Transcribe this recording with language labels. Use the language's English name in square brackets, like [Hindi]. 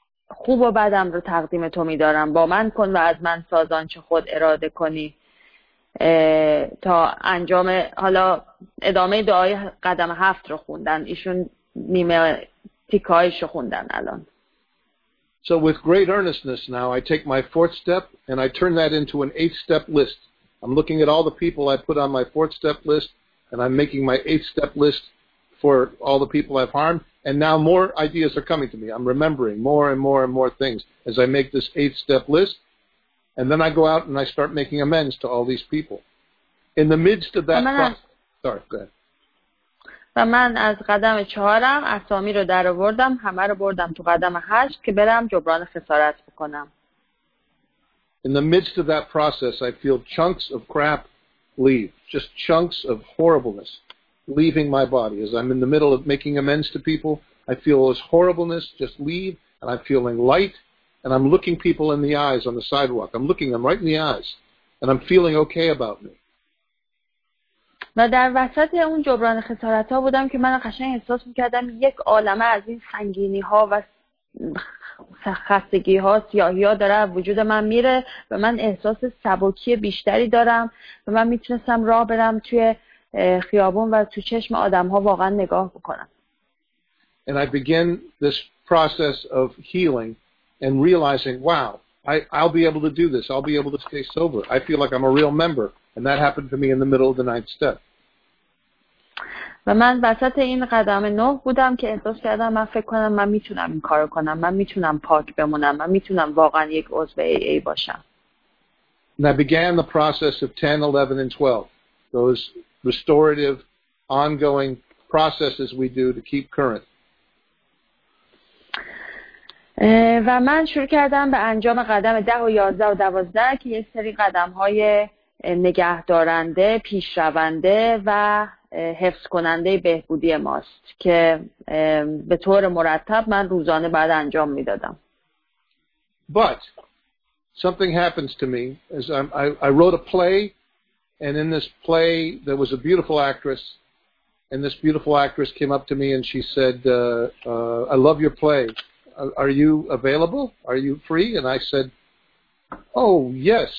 [Persian] خوب و بدم رو تقدیم تو میدارم با من کن و از من سازان چه خود اراده کنی تا انجام حالا ادامه دعای قدم 7 رو خوندن ایشون نیمه تیکایش رو خوندن الان. [English] So with great earnestness now I take my fourth step and I turn that into an eighth step list. I'm looking at all the people I put on my fourth step list and I'm making my eighth step list for all the people I've harmed and now more ideas are coming to me. I'm remembering more and more and more things as I make this eighth step list and then I go out and I start making amends to all these people. In the midst of that process... Sorry, go ahead. [Persian] و من از قدم 4 اسامی رو در آوردم همه رو بردم تو قدم 8 که برم جبران خسارت بکنم. [English] In the midst of that process I feel chunks of crap leave, just chunks of horribleness leaving my body as I'm in the middle of making amends to people. I feel this horribleness just leave and I'm feeling light and I'm looking people in the eyes on the sidewalk. I'm looking them right in the eyes and I'm feeling okay about me. [Persian] و در وسط اون جبران خسارت ها بودم که من قشنگ احساس میکردم یک عالمه از این سنگینی ها و خستگی ها سیاهی ها داره وجود من میره و من احساس سبکی بیشتری دارم و من میتونستم راه برم توی خیابون و تو چشم آدم ها واقعا نگاه بکنم. [English] And I begin this process of healing and realizing wow, I'll be able to do this. I'll be able to stay sober. I feel like I'm a real member. And that happened to me in the middle of the ninth step. [Persian] و من وسط این قدم 9 بودم که احساس کردم من فکر کنم من میتونم این کارو کنم. من میتونم پاک بمونم. من میتونم واقعا یک عضو AA باشم. [English] And I began the process of 10, 11, and 12. Those restorative, ongoing processes we do to keep current. [Persian] و من شروع کردم به انجام قدم 10 و 11 و 12 که یک سری قدم های نگه دارنده، پیش رونده و حفظ کننده بهبودی ماست که به طور مرتب من روزانه بعد انجام می دادم. [English] But something happens to me as I wrote a play and in this play there was a beautiful actress and this beautiful actress came up to me and she said I love your play. Are you available? Are you free? And I said, oh, yes.